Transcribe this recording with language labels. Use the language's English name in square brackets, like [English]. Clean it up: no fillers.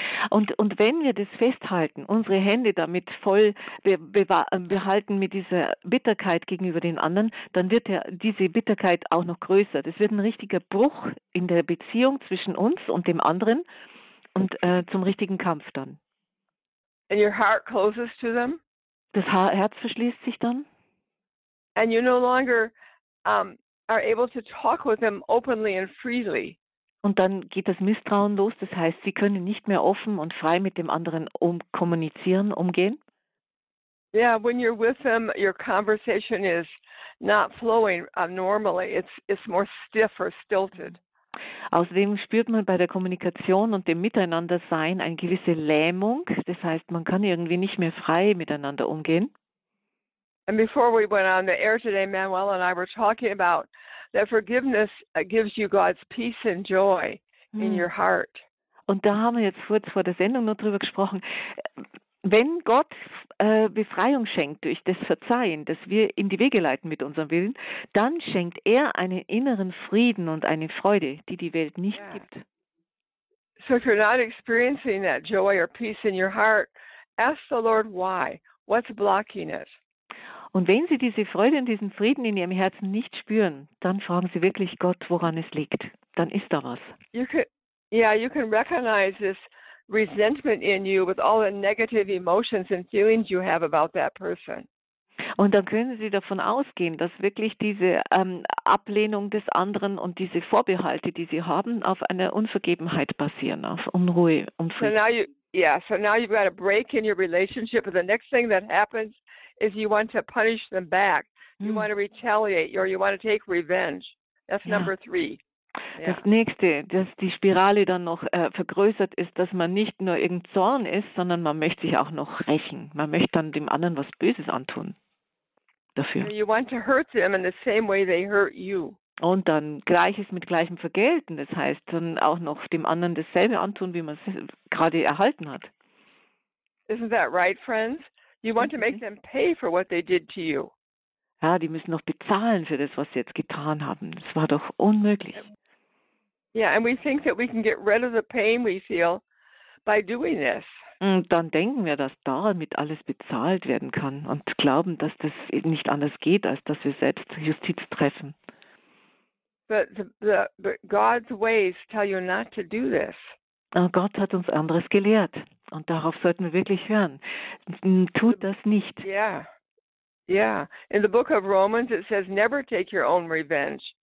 [German] Und wenn wir das festhalten, unsere Hände damit voll behalten mit dieser Bitterkeit gegenüber den anderen, dann wird ja diese Bitterkeit auch noch größer. Das wird ein richtiger Bruch in der Beziehung zwischen uns und dem anderen und zum richtigen Kampf dann. [English] And your heart closes to them. [German] Das Herz verschließt sich dann. [English] And you no longer are able to talk with them openly and freely. [German] Und dann geht das Misstrauen los, das heißt, sie können nicht mehr offen und frei mit dem anderen kommunizieren, umgehen. [English] Yeah, when you're with them, your conversation is not flowing normally. It's more stiff or stilted. [German] Außerdem spürt man bei der Kommunikation und dem Miteinandersein eine gewisse Lähmung, das heißt, man kann irgendwie nicht mehr frei miteinander umgehen. [English] And before we went on the air today, Manuel and I were talking about that forgiveness gives you God's peace and joy in your heart. [German] Und da haben wir jetzt kurz vor der Sendung noch drüber gesprochen. Wenn Gott Befreiung schenkt durch das Verzeihen, das wir in die Wege leiten mit unserem Willen, dann schenkt er einen inneren Frieden und eine Freude, die die Welt nicht gibt. [English] So if you're not experiencing that joy or peace in your heart, ask the Lord why. What's blocking it? [German] Und wenn Sie diese Freude und diesen Frieden in Ihrem Herzen nicht spüren, dann fragen Sie wirklich Gott, woran es liegt. Dann ist da was. [English] You can recognize this resentment in you with all the negative emotions and feelings you have about that person. [German] Und dann können Sie davon ausgehen, dass wirklich diese Ablehnung des anderen und diese Vorbehalte, die Sie haben, auf einer Unvergebenheit basieren, auf Unruhe und Frieden. [English] So now you've got a break in your relationship, and the next thing that happens is you want to punish them back. You want to retaliate or you want to take revenge. That's number 3. [German] Das nächste, dass die Spirale dann noch vergrößert ist, dass man nicht nur irgendein Zorn ist, sondern man möchte sich auch noch rächen. Man möchte dann dem anderen was Böses antun. Dafür. [English] You want to hurt them in the same way they hurt you. [German] Und dann Gleiches mit Gleichem vergelten. Das heißt, dann auch noch dem anderen dasselbe antun, wie man es gerade erhalten hat. [English] Isn't that right, friends? You want to make them pay for what they did to you. [German] Ja, die müssen noch bezahlen für das, was sie jetzt getan haben. Das war doch unmöglich. [English] Yeah, and we think that we can get rid of the pain we feel by doing this. [German] Und dann denken wir, dass damit alles bezahlt werden kann und glauben, dass das nicht anders geht, als dass wir selbst Justiz treffen. [English] But God's ways tell you not to do this. [German] Aber Gott hat uns anderes gelehrt. Und darauf sollten wir wirklich hören. Tut das nicht. [English] In the book of Romans it says never take your own revenge.